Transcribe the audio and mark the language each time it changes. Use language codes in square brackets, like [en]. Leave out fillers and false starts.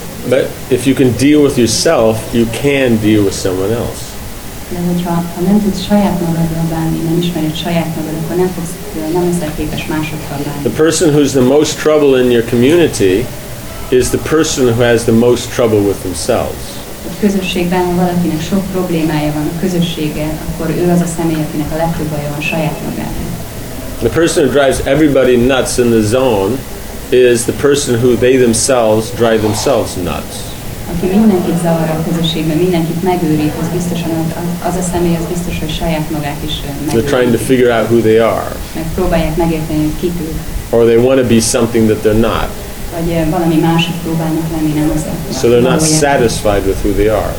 [en] But if you can deal with yourself, you can deal with someone else. The person who's the most trouble in your community is the person who has the most trouble with themselves. [hu] Közösségben valakinek sok problémája van a közössége, akkor ő az a személy, akinek a legtöbb baja van saját magán. [en] The person who drives everybody nuts in the zone is the person who they themselves drive themselves nuts. [hu] Aki mindenkit zavar a közösségben, mindenkit megőrít, az biztosan az a személy, az biztos, hogy saját magát is megőrít. [en] They're trying to figure out who they are. [hu] Megpróbálják megérteni, hogy kik ők. [en] Or they want to be something that they're not. [hu] Vagy valami másik próbálnak lenni, nem az. [en] So they're not satisfied with who they are.